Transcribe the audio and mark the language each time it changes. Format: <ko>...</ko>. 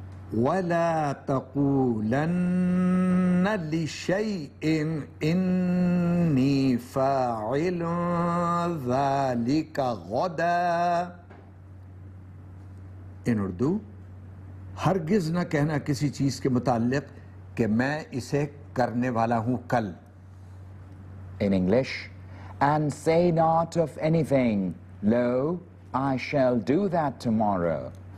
<ar>ولا تقولن لشيء إني فاعل ذلك غدا.</ar> <en>In Urdu,</en> <ur>ہرگز نہ کہنا کسی چیز کے متعلق کہ میں اسے کرنے والا ہوں کل.</ur> <en>In English, And say not of anything, lo, I shall do that tomorrow.</en>